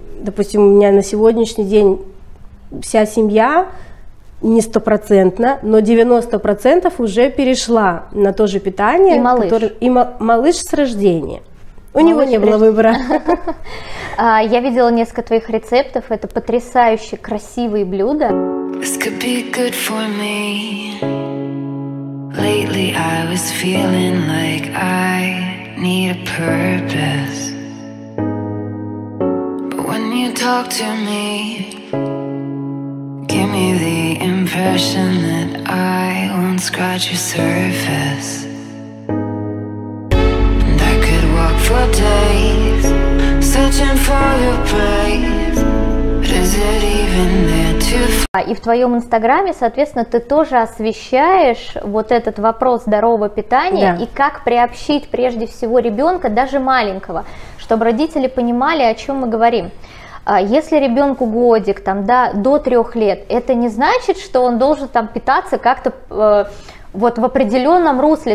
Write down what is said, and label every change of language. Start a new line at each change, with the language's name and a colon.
Russian: Допустим, у меня на сегодняшний день вся семья не стопроцентно, но 90% уже перешла на то же питание. И малыш. Малыш с рождения. Него не было выбора. Я видела несколько твоих рецептов. Это потрясающе красивые блюда.
English: This could be good for me. Lately I was feeling like I need a purpose. But when you talk to me, give me the impression that I won't scratch your surface. And I could walk for days searching for your praise. But is it even there to find?
Russian: И в твоем инстаграме, соответственно, ты тоже освещаешь вот этот вопрос здорового питания и как приобщить прежде всего ребенка, даже маленького, чтобы родители понимали, о чем мы говорим. Если ребенку годик, там, до 3 лет, это не значит, что он должен там питаться как-то вот в определенном русле.